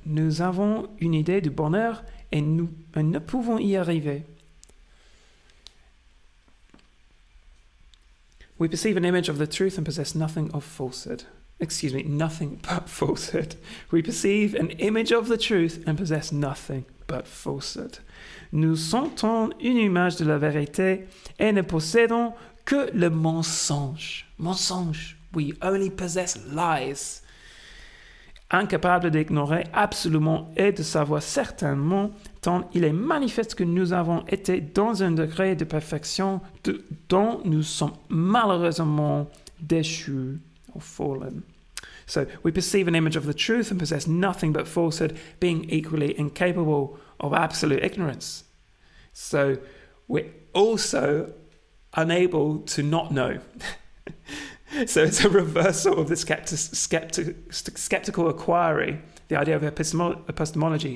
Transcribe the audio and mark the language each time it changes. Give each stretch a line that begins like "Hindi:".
French: Nous avons une idée du bonheur et nous ne pouvons y arriver.
English: We perceive an image of the truth and possess nothing of falsehood. Excuse me, nothing but falsehood. We perceive an image of the truth and possess nothing but falsehood.
French: Nous sentons une image de la vérité et ne possédons que le mensonge.
English: Mensonge. We only possess lies.
French: Incapable d'ignorer absolument et de savoir certainement, tant il est manifeste que nous avons été dans un degré de perfection dont nous sommes malheureusement déchus
English: or fallen. So we perceive an image of the truth and possess nothing but falsehood, being equally incapable of absolute ignorance. So we're also unable to not know. So it's a reversal of the skeptical inquiry, the idea of epistemology.